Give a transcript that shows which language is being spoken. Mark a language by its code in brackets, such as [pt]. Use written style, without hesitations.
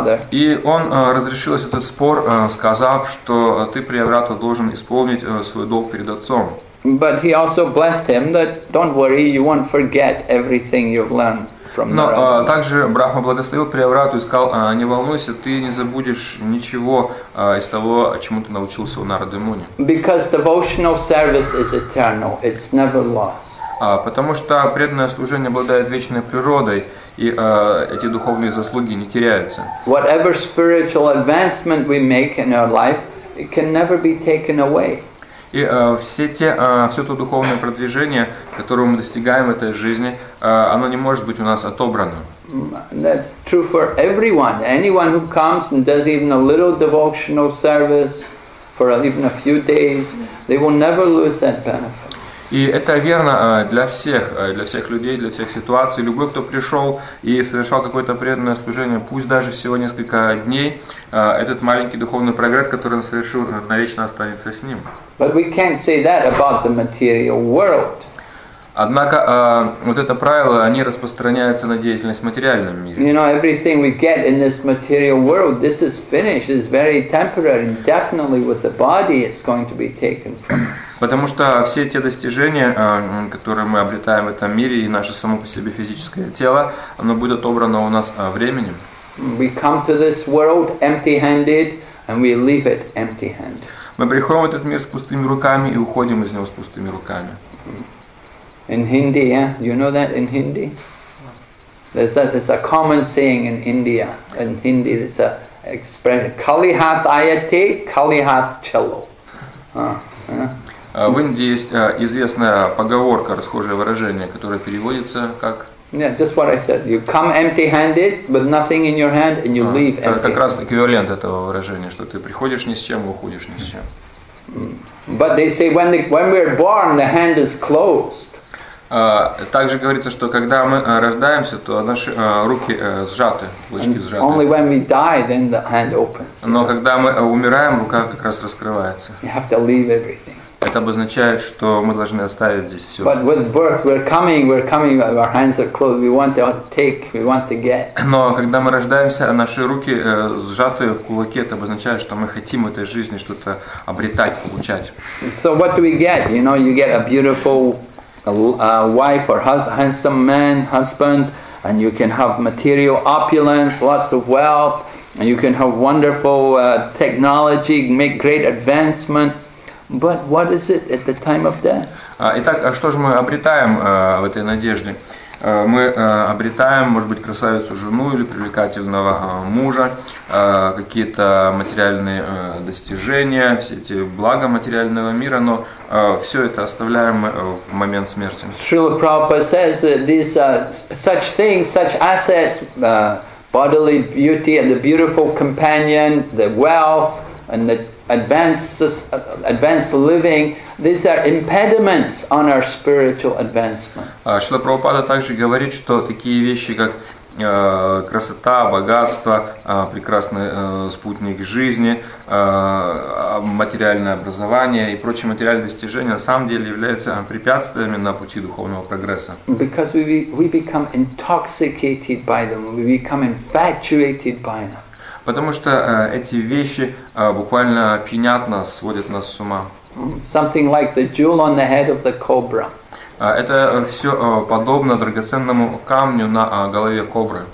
[ru] И он разрешил этот спор, сказав, что ты, Приаврата, должен исполнить свой долг перед отцом. [en] But he also blessed him that don't worry, you won't forget everything you've learned from Narada. [ru] Но также Брахма благословил Приаврату и сказал: не волнуйся, ты не забудешь ничего из того, чему ты научился у Нарады Муни. [en] Because devotional service is eternal, it's never lost. [ru] Потому что преданное служение обладает вечной природой, и эти духовные заслуги не теряются. [en] Whatever spiritual advancement we make in our life, it can never be taken away. [ru] И все то духовное продвижение, которое мы достигаем в этой жизни, оно не может быть у нас отобрано. [en] That's true for everyone. Anyone who comes and does even a little devotional service for even a few days, they will never lose that benefit. [ru] И это верно для всех людей, для всех ситуаций. Любой, кто пришел и совершал какое-то преданное служение, пусть даже всего несколько дней, этот маленький духовный прогресс, который он совершил, навечно останется с ним. [en] But we can't say that about the material world. [ru] Однако вот это правило, они распространяются на деятельность в материальном мире. [en] You know, everything we get in this material world, this is finished, it's very temporary, and definitely with the body it's going to be taken from us. [ru] Потому что все те достижения, которые мы обретаем в этом мире, и наше само по себе физическое тело, оно будет отобрано у нас временем. [en] We come to this world empty-handed, and we leave it empty-handed. [ru] Мы приходим в этот мир с пустыми руками и уходим из него с пустыми руками. [en] In Hindi, yeah? You know that in Hindi? There's a common saying in India. In Hindi, there's an expression, [hi] Kali hath ayate, Kali hath chalo. [ru] В Индии есть известная поговорка, расхожее выражение, которое переводится как [en] Yeah, just what I said. You come empty-handed with nothing in your hand, and you leave empty. [ru] Как раз эквивалент этого выражения, что ты приходишь ни с чем, уходишь ни с чем. [en] But they say when we're born, the hand is closed. [ru] Также говорится, что когда мы рождаемся, то наши руки сжаты, кулачки сжаты. [en] Only when we die, then the hand opens. [ru] Но когда мы умираем, рука как раз раскрывается. [en] You have to leave everything. [ru] Это обозначает, что мы должны оставить здесь все. [en] But with birth, we're coming, our hands are closed, we want to take, we want to get. [ru] Но когда мы рождаемся, наши руки сжаты в кулаке, это обозначает, что мы хотим в этой жизни что-то обретать, получать. [en] So what do we get? You know, you get a beautiful wife or handsome man, husband, and you can have material opulence, lots of wealth, and you can have wonderful technology, make great advancement. But what is it at the time of death? [ru] Итак, а что же мы обретаем в этой надежде? Мы обретаем, может быть, красавицу жену или привлекательного мужа, какие-то материальные достижения, все эти блага материального мира, но все это оставляем мы в момент смерти. [en] Srila Prabhupada says that these such things, such assets, bodily beauty and the beautiful companion, the wealth and the advanced living, these are impediments on our spiritual advancement. [ru] Шрила Прабхупада также говорит, что такие вещи, как красота, богатство, прекрасный спутник жизни, материальное образование и прочие материальные достижения на самом деле являются препятствиями на пути духовного прогресса. [en] Because we become intoxicated by them, we become infatuated by them. [ru] Потому что эти вещи буквально пьянят нас, сводят нас с ума. [en] Something like the jewel on the head of the cobra. [ru] Это все подобно драгоценному камню на голове кобры.